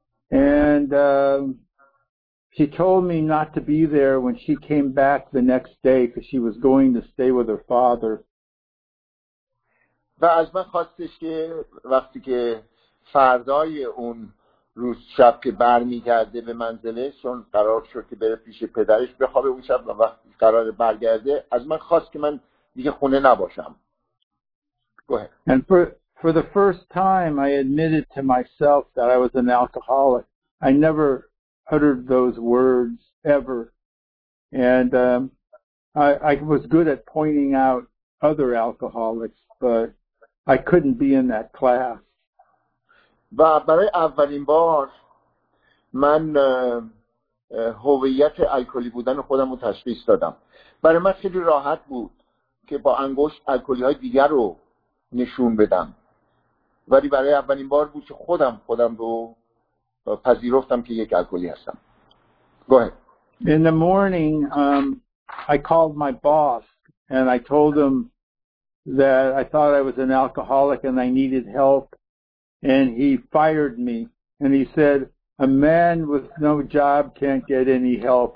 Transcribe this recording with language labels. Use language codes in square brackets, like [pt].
[en] And she told me not to be there when she came back the next day because she was going to stay with her father. [fa] و از من خواستش که وقتی که فردای اون روز شب که برمیگرده به منزلش، اون قرار شد که بره پیش پدرش بخوابه اون شب و وقتی قرار برگرده، از من خواست که من دیگه خونه نباشم. [en] Go ahead. And for the first time I admitted to myself that I was an alcoholic. I never uttered those words ever. And I was good at pointing out other alcoholics, but I couldn't be in that class. [fa] و برای اولین بار من هویت الکلی بودن خودم رو تشخیص دادم. برای من خیلی راحت بود که با انگشت الکلی های دیگر رو نشون بدم. ولی برای اولین بار بود که خودم رو پذیرفتم که یک الکلی هستم. [en] Go ahead. In the morning, I called my boss and I told him that I thought I was an alcoholic and I needed help. And he fired me. And he said, a man with no job can't get any help.